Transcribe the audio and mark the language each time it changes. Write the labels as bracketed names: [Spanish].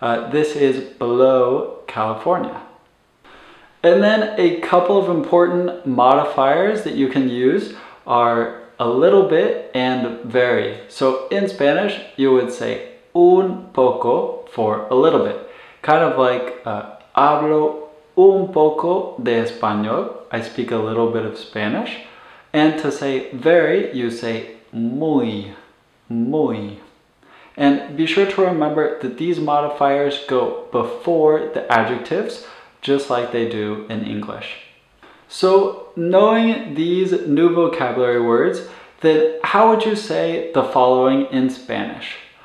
[English] This is below California. And then a couple of important modifiers that you can use are a little bit and very. So in Spanish, you would say un poco for a little bit. Kind of like [Spanish] hablo un poco de español. [English] I speak a little bit of Spanish. And to say very, you say muy, muy. And be sure to remember that these modifiers go before the adjectives, just like they do in English. So knowing these new vocabulary words, then how would you say the following in Spanish?